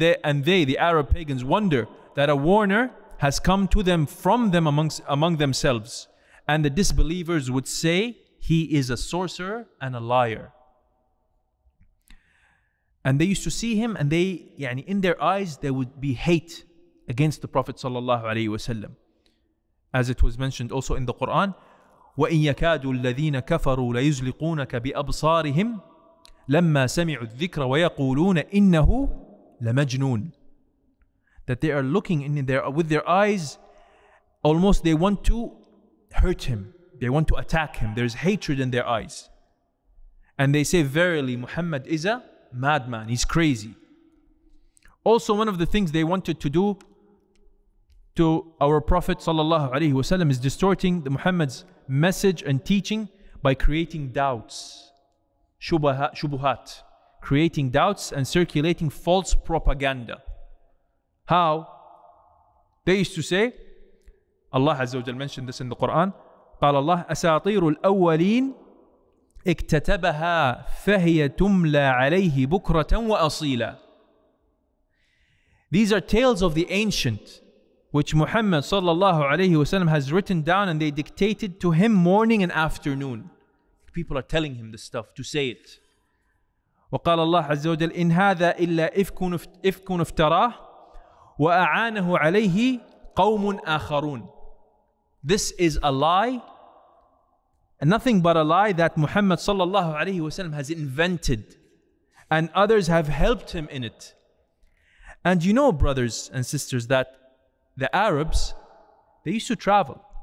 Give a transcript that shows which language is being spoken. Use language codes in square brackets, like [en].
[en] And they, the Arab pagans, wonder that a warner has come to them from them among themselves. And the disbelievers would say he is a sorcerer and a liar. And they used to see him and they, يعني, in their eyes, there would be hate against the Prophet sallallahu alayhi wasallam. [ar] As it was mentioned also in the Quran, وَإِنْ يَكَادُوا الَّذِينَ كَفَرُوا لَيُزْلِقُونَكَ بِأَبْصَارِهِمْ لَمَّا سَمِعُوا الذِّكْرَ وَيَقُولُونَ إِنَّهُ لَمَجْنُونَ. [en] That they are looking with their eyes, almost they want to hurt him. They want to attack him. There's hatred in their eyes. And they say, verily, Muhammad is a madman. He's crazy. Also, one of the things they wanted to do to our Prophet sallallahu alayhi wasallam is distorting the Muhammad's message and teaching by creating doubts. Shubuhat. Creating doubts and circulating false propaganda. How? They used to say, Allah Azza wa Jal mentioned this in the Quran, [ar] قال الله أساطير الأولين اكتتبها فهي تملى عليه بكرة وأصيلا. [en] These are tales of the ancient which Muhammad sallallahu alayhi wasallam has written down, and they dictated to him morning and afternoon. People are telling him this stuff to say it. [ar] وقال الله عز وجل إن هذا إلا إفكٌ افتراه وأعانه عليه قوم آخرون. [en] This is a lie, and nothing but a lie, that Muhammad sallallahu alayhi wasallam has invented, and others have helped him in it. And you know, brothers and sisters, that the Arabs, they used to travel.